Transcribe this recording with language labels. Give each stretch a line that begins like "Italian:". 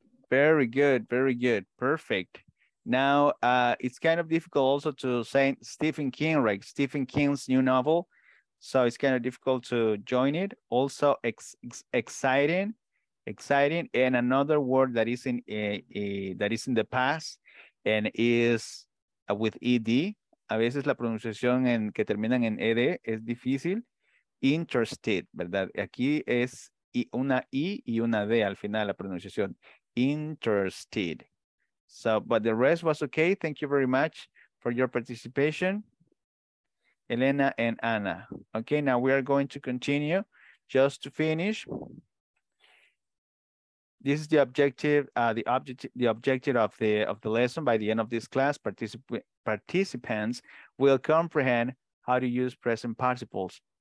English: Very good. Very good. Perfect. Now, it's kind of difficult also to say Stephen King, right? Stephen King's new novel. So it's kind of difficult to join it. Also, exciting. Exciting. And another word that is in that is in the past and is with ed.
Spanish: A veces la pronunciación en que terminan en ed es difícil. Interested, ¿verdad? Aquí es una i y una d al final la pronunciación.
English: Interested. So, but the rest was okay. Thank you very much for your participation, Elena and Anna. Okay, now we are going to continue. Just to finish, this is the objective. The objective of the lesson. By the end of this class, participants will comprehend how to use present participles.